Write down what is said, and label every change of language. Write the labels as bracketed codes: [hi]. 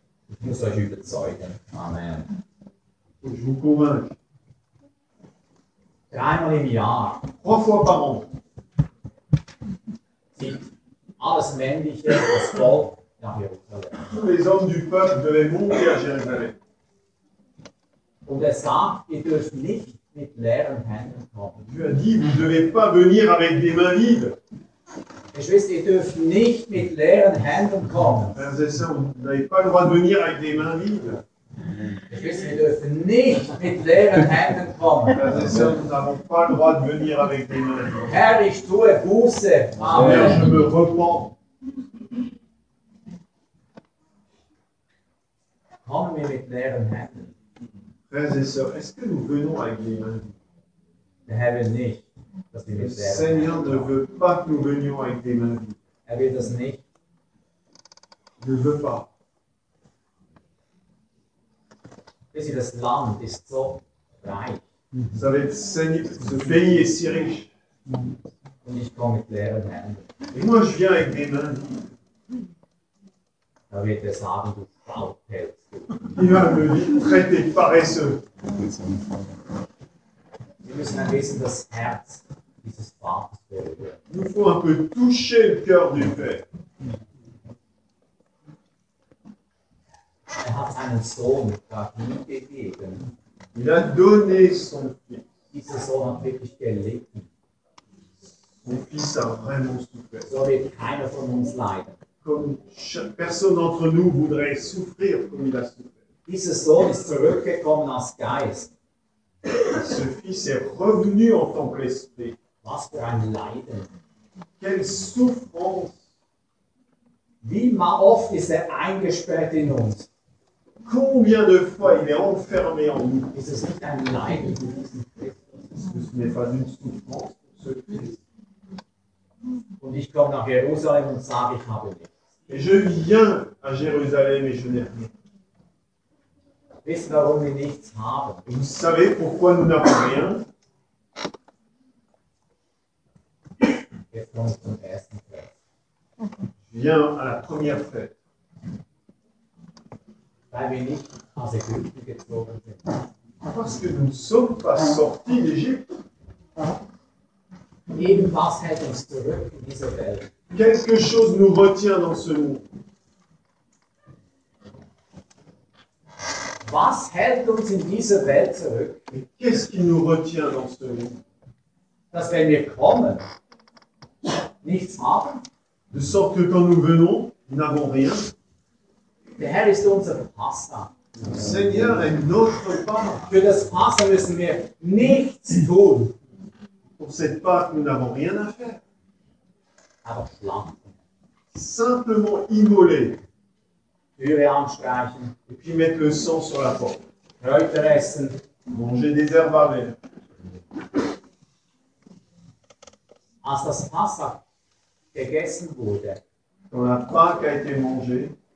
[de] Ich muss euch überzeugen. Amen. Und ich muss kommen. Dreimal im Jahr. [fr] Trois fois par an. [de] Sieht alles Männliche, das Volk nach Jerusalem. [fr] Tous les hommes du peuple devaient monter à Jérusalem. [de] Und er sagt, ihr dürft nicht mit leeren Händen kommen. [fr] Dieu a dit, vous ne devez pas venir avec des mains vides. [de] Geschwister, ihr dürft nicht mit leeren Händen kommen. [fr] Frères et sœurs, vous n'avez pas le droit de venir avec des mains vides. [de] Geschwister, ihr dürft nicht mit leeren Händen kommen. [fr] Frères et sœurs, nous n'avons pas le droit de venir avec des mains vides. [de] Herr, ich tue Buße. Amen. [fr] Je me repens. [de] Kommen wir mit leeren Händen. [fr] Frères et sœurs, est-ce que nous venons avec les mains vides? [de] Herr will nicht, dass wir [fr] le Seigneur ne veut pas que nous venions avec des mains vides. [de] Er will das nicht. [fr] Il ne veut pas. [de] Et das Land ist so reich. [fr] Vous savez, Seigneur, ce pays est si riche. [de] Und ich komme mit leeren Händen. [fr] Et moi, je viens avec des mains vides. [de] Da wird er sagen, du Faulpelz. [fr] Il va me traiter paresseux. [de] Wir müssen ein bisschen das Herz dieses Vaters berühren. [fr] Nous faut un peu toucher le cœur du Père. [de] Er hat seinen Sohn dafür gegeben. [fr] Il a donné son fils. [de] Dieser Sohn hat wirklich gelitten. [fr] Son fils a vraiment souffert. [de] So wird keiner von uns leiden. [fr] Comme personne d'entre nous voudrait souffrir comme il a souffert. [de] Dieser Sohn ist zurückgekommen als Geist. [fr] Ce fils est revenu en tant que l'esprit. [de] Was für ein Leiden. [fr] Quelle souffrance. [de] Wie oft ist er eingesperrt in uns? [fr] Combien de fois il est enfermé en nous? [de] Ist es nicht ein Leiden für diesen Christ? [fr] Ce n'est pas une souffrance pour ce Christ. [de] Und ich komme nach Jerusalem und sage, ich habe nichts. [fr] Et je viens à Jérusalem et je n'ai rien. [de] Wisst ihr, warum wir nichts haben? [fr] Et vous savez pourquoi nous n'avons rien? [de] Jetzt komme ich zum ersten Vers. [fr] Je viens à la première fête. [de] Weil wir nicht aus Ägypten gezogen sind. [fr] Parce que nous ne sommes pas sortis d'Égypte. [de] Eben was hält uns zurück in dieser Welt? [fr] Quelque chose nous retient dans ce monde. [de] Was hält uns in dieser Welt zurück? [fr] Et qu'est-ce qui nous retient dans ce monde? [de] Dass wenn wir kommen, nichts haben. [fr] De sorte que quand nous venons, nous n'avons rien. [de] Der Herr ist unser Pastor. [fr] Le Seigneur est notre Pastor. [de] Für das Pastor müssen wir nichts tun. [fr] Pour cette Pâque, nous n'avons rien à faire. [de] Aber planten. [fr] Simplement immoler. [de] Türe anstreichen. [fr] Et puis mettre le sang sur la porte. [de] Kräuter essen. [fr] Manger des herbes amères. [de] Als das Passa gegessen wurde. [fr] Quand la Pâque a été mangée.